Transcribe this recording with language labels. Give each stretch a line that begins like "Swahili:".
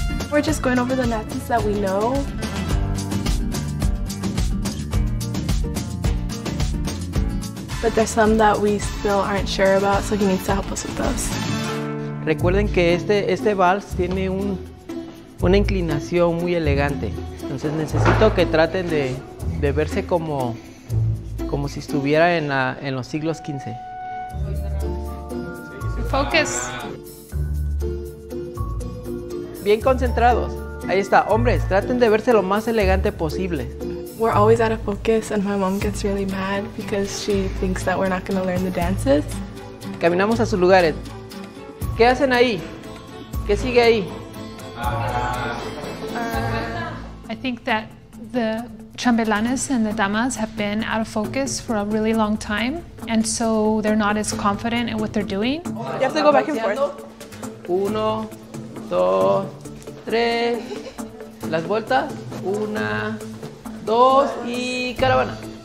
English: We're just going over the dances that we know. But there's some that we still aren't sure about, so he needs to help us with those.
Spanish: Recuerden que este vals tiene una inclinación muy elegante. Entonces necesito que traten de verse como si estuviera en los siglos 15.
English: Focus.
Spanish: Bien concentrados. Ahí está. Hombres, traten de verse lo más elegante posible.
English: We're always out of focus and my mom gets really mad because she thinks that we're not going to learn the dances.
Spanish: Caminamos a sus lugares. ¿Qué hacen ahí? ¿Qué sigue ahí?
English: I think that the chambelanes and the damas have been out of focus for a really long time and so they're not as confident in what they're doing. You have to go back and forth.
Spanish: Uno, dos, tres, las vueltas, una, dos, y caravana.